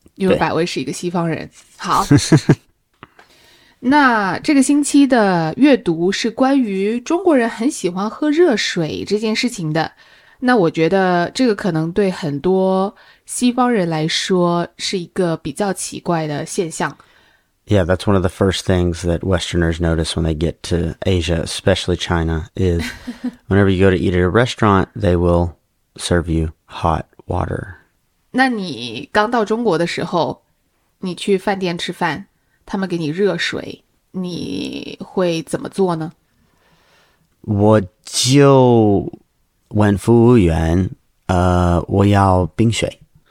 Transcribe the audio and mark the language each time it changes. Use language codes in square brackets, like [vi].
[zh] 因为百威是一个西方人。好。那这个星期的阅读是关于中国人很喜欢喝热水这件事情的。那我觉得这个可能对很多西方人来说是一个比较奇怪的现象。 [en] Yeah, that's one of the first things that Westerners notice when they get to Asia, especially China, is whenever you go to eat at a restaurant, they will serve you hot water. [zh] 那你刚到中国的时候，你去饭店吃饭，他们给你热水，你会怎么做呢？我就问服务员，我要冰水。